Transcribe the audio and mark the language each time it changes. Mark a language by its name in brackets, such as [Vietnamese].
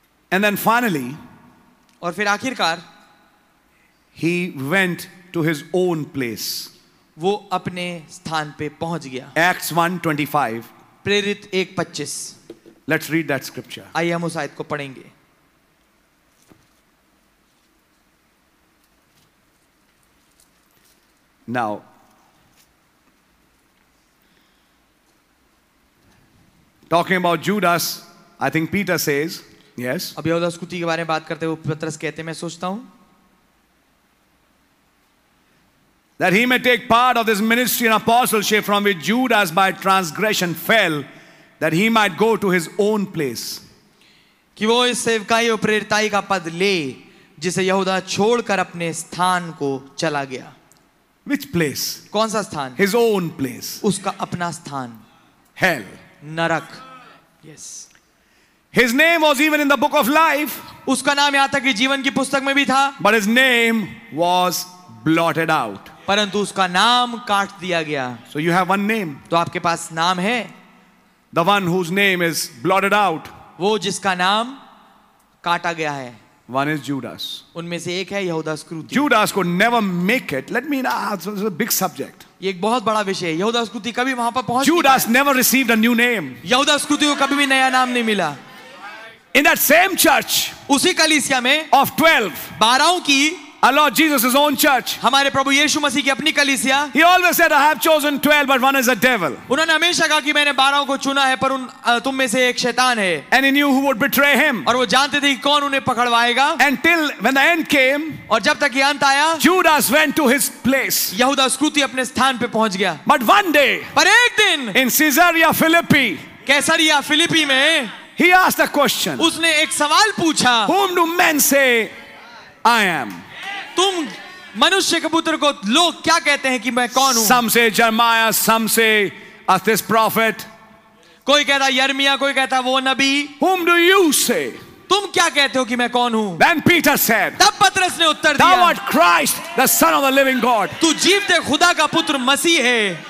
[English] And then finally. [Hindi] और फिर आखिरकार. [English] He went to his own place. [Hindi] वो अपने स्थान पे पहुंच गया. [English] Acts 1:25. [Hindi] प्रेरित 1:25. [English] Let's read that scripture. [Hindi] आइए हम उस आयत को पढ़ेंगे. [English] Now, talking about Judas, I think Peter says, yes. [Hindi] अब यहूदा स्क्रूति के बारे में बात करते हुए पत्रस कहते मैं सोचता हूं. [English] That he may take part of this ministry and apostleship from which Judas by transgression fell, that he might go to his own place. [Hindi] कि वो इस सेवकाई और प्रेरिताई का पद ले जिसे यहूदा छोड़कर अपने स्थान को चला गया. [English] Which place? [Hindi] कौन सा स्थान? [English] His own place. [Hindi] उसका अपना स्थान. [English] Hell. [Hindi] नरक. Yes. [English] His name was even in the book of life. [Hindi] उसका नाम यहां तक कि जीवन की पुस्तक में भी था. [English] But his name was blotted out. [Hindi] परंतु उसका नाम काट दिया गया. [English] So you have one name. [Hindi] तो आपके पास नाम है. [English] The one whose name is blotted out. [Hindi] वो जिसका नाम काटा गया है. [English] One is Judas. [Hindi] उनमें से एक है यहूदा स्क्रूति. [English] Judas could never make it. Let me ask. This is a big subject. [Hindi] ये एक बहुत बड़ा विषय है. यहूदा स्क्रूति कभी वहाँ पर पहुँच. [English] Judas never received a new name. [Hindi] यहूदा स्क्रूति को कभी भी नया नाम नहीं मिला. [English] In that same church. [Hindi] उसी कलीसिया में. [English] Of 12. [Hindi] बाराओं की. [English] Our Lord Jesus' own church. [Hindi] हमारे प्रभु यीशु मसीह की अपनी कलीसिया. [English] He always said, "I have chosen 12, but one is a devil." [Hindi] उन्होंने हमेशा कहा कि मैंने बाराओं को चुना है, पर उन तुम में से एक शैतान है. [English] And he knew who would betray him. [Hindi] और वो जानते थे कि कौन उन्हें पकड़वाएगा. [English] Until when the end came. [Hindi] और जब तक अंत आया. [English] Judas went to his place. [Hindi] यहूदा स्क्रूति अपने स्थान पे पहुंच गया. [English] But one day. [Hindi] पर एक दिन. [English] In Caesarea Philippi. [Hindi] कैसरिया फिलिपी में. [English] He asked a question. [Hindi] उसने एक सवाल पूछा. [English] Whom do men say I am? [Hindi] तुम मनुष्य के पुत्र को लोग क्या कहते हैं कि मैं कौन हूं? [English] Some say Jeremiah, some say this prophet. [Hindi] कोई कहता यर्मिया, कोई कहता वो नबी. [English] Whom do you say? [Hindi] तुम क्या कहते हो कि मैं कौन हूं? [English] Then Peter said. [Hindi] तब पतरस ने उत्तर दिया. [English] Thou art Christ, the Son of the Living God. [Hindi] तू जीवते खुदा का पुत्र मसीह है.